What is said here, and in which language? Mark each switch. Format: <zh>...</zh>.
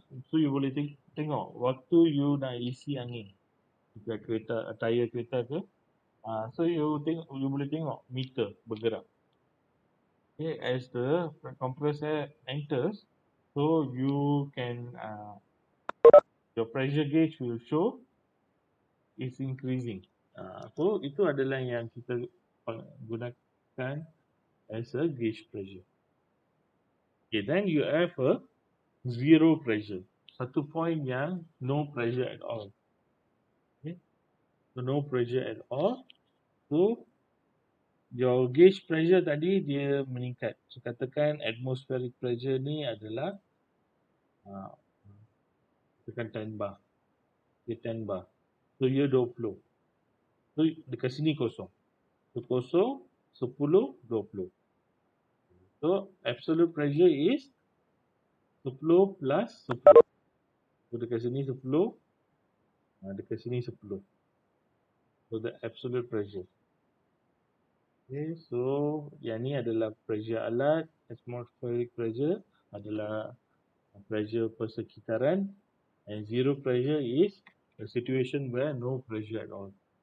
<ms>So you boleh tengok waktu you nak isi angin dekat kereta, tire kereta ke. So you boleh tengok meter bergerak.</ms> <en>Okay, as the compressor enters, so you can, your pressure gauge will show is increasing.</en> <ms>So itu adalah yang kita gunakan</ms> <en>as a gauge pressure. Okay, then you have a zero pressure.</en> <ms>Satu point yang</ms> <en>no pressure at all. Okay, so no pressure at all. So your gauge pressure</en> <ms>tadi dia meningkat. So katakan atmospheric pressure ni adalah tekan 10 bar. Okay, 10 bar. So, ia 20. So, dekat sini kosong.</ms> <en>So, kosong, 10, 20. So, absolute pressure is 10 plus 10. So, dekat sini 10.</en> <ms>Dekat sini 10.</ms> <en>So, the absolute pressure.</en> <ms>Okay, so, yang ni adalah pressure alat. Atmospheric pressure adalah pressure persekitaran.</ms> <en>And zero pressure is a situation where no pressure at all.</en>